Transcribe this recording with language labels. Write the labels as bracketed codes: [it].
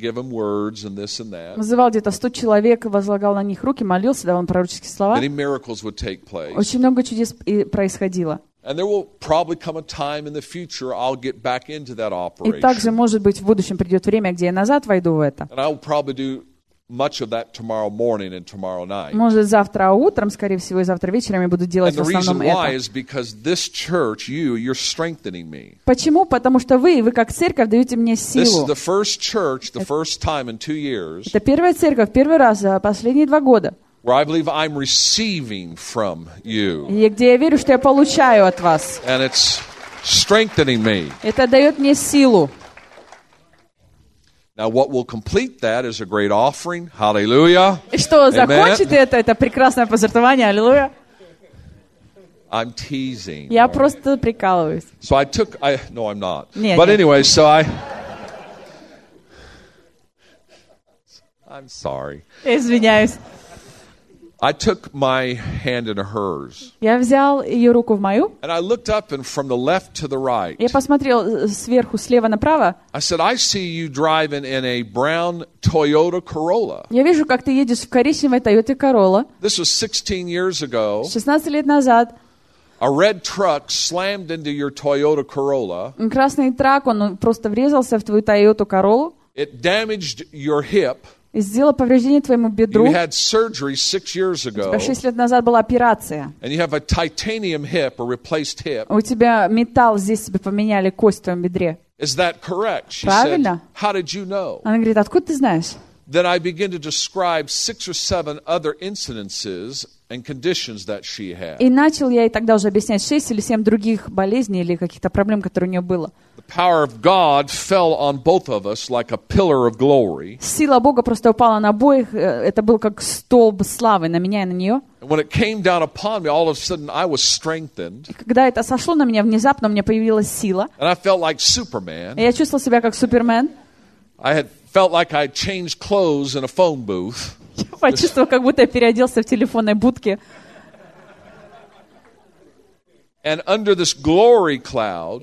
[ru] Называл где-то 100 человек, возлагал на них руки, молился, давал им пророческие слова. [en] Many miracles would take place. [ru] Очень много чудес и происходило. [en] And there will probably come a time in the future I'll get back into that operation. [ru] И также, может быть, в будущем придет время, где я назад войду в это. [en] And I'll probably do much of that tomorrow morning and tomorrow night. [ru] Может, завтра утром, скорее всего, и завтра вечером я буду делать в основном это. [en] And the reason why is because this church, you're strengthening me. [ru] Почему? Потому что вы как церковь даете мне силу. [en] This is the first church, the first time in 2 years. [ru] Это первая церковь, первый раз за последние 2 года. [en] Where I believe I'm receiving from you. [ru] И где я верю, что я получаю от вас. [en] And it's strengthening me. [ru] Это дает мне силу. [en] Now what will complete that is a great offering. Hallelujah. [ru] И что закончит это прекрасное пожертвование. [en] Hallelujah. I'm teasing. [ru] Я просто прикалываюсь. [en] So I took no I'm not. [ru] Нет, [en] but [ru] нет. [en] Anyway, so I I'm sorry. [ru] Извиняюсь. [en] I took my hand in hers. [ru] Я взял её руку в мою. [en] And I looked up and from the left to the right. [ru] Я посмотрел сверху слева направо. [en] I said, I see you driving in a brown Toyota Corolla. [ru] Я вижу, как ты едешь в коричневой Toyota Corolla. [en] This was 16 years ago. [ru] 16 лет назад. [en] A red truck slammed into your Toyota Corolla. [ru] Красный трак, он просто врезался в твою Toyota Corolla. [en] It damaged your hip. [ru] И сделало повреждение твоему бедру. [en] You had surgery 6 years ago. [ru] У тебя 6 лет назад была операция. [en] And you have a titanium hip, a replaced hip. [ru] У тебя металл здесь себе поменяли кость в твоем бедре. [en] Is that correct? She [ru] Правильно? [en] Said, How did you know? [ru] Она говорит, откуда ты знаешь? [en] Then I begin to describe 6 or 7 other incidences and conditions that she had. [ru] И начал я ей тогда уже объяснять 6 или 7 других болезней или каких-то проблем, которые у нее было. [en] The power of God fell on both of us like a pillar of glory. [ru] Сила Бога просто упала на обоих. Это был как столб славы на меня и на нее. [en] And when it came down upon me, all of a sudden I was strengthened. [ru] И когда это сошло на меня, внезапно у меня появилась сила. [en] And I felt like Superman. [ru] И я чувствовал себя как Супермен. [en] I had felt like I changed clothes in a phone booth. [ru] Я почувствовал, как будто я переоделся в телефонной будке. [en] And under this glory cloud,